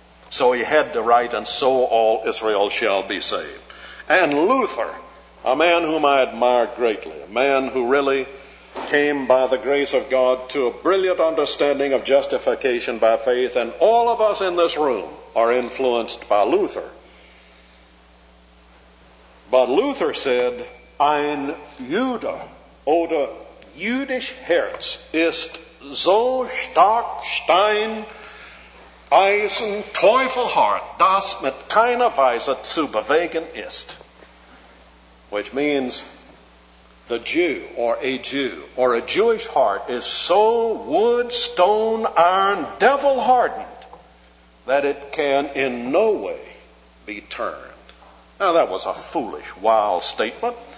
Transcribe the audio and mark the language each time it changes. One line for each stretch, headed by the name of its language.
English: So he had to write, and so all Israel shall be saved. And Luther, a man whom I admire greatly, a man who really came by the grace of God to a brilliant understanding of justification by faith, and all of us in this room are influenced by Luther. But Luther said,
German: Ein Jude oder Jüdisch Herz ist so stark Stein, Eisen Teufelhart, das mit keiner Weise zu bewegen ist.
English: Which means the Jew, or a Jew, or a Jewish heart is so wood, stone, iron, devil hardened that it can in no way be turned. Now that was a foolish, wild statement.